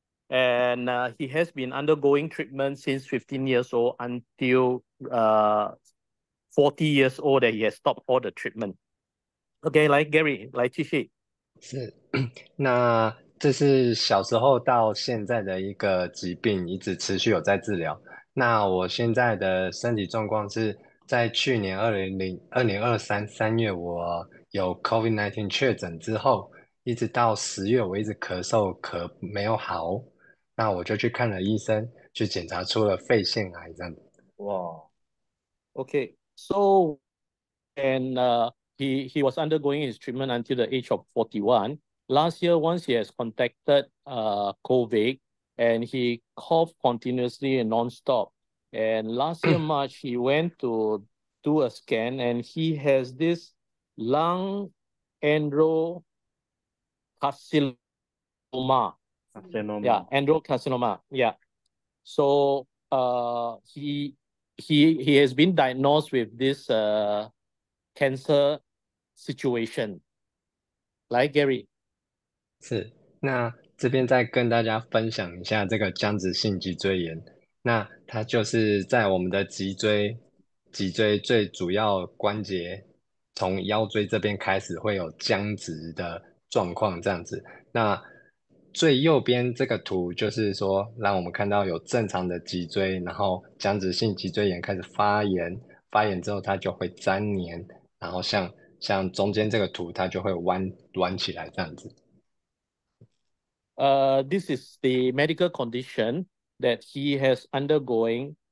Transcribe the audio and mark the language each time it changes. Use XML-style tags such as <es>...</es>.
<en>And he has been undergoing treatment since 15 years old until 40 years old that he has stopped all the treatment. Okay,</en> <zh>来 Gary, 来继续。是，那这是小时候到现在的一个疾病，一直持续有在治疗。那我现在的身体状况是在去年2023三月，我有 COVID-19 确诊之后，一直到十月，我一直咳嗽，咳没有好，那我就去看了医生，去检查出了肺腺癌这样子。</zh> <en>哇 ，OK, so and he was undergoing his treatment until the age of 41. Last year, once he has contacted COVID, and he coughed continuously and nonstop. And last year March, he went to do a scan, and he has this lung endocarcinoma. Yeah, endocarcinoma. Yeah. So he has been diagnosed with this cancer situation. Like Gary.</en> <zh>是，那这边再跟大家分享一下这个僵直性脊椎炎。那它就是在我们的脊椎最主要关节，从腰椎这边开始会有僵直的状况这样子。那最右边这个图就是说，让我们看到有正常的脊椎，然后僵直性脊椎炎开始发炎，发炎之后它就会粘黏，然后像中间这个图，它就会弯起来这样子。</zh> <en>This is the medical condition that he has undergoing.</en>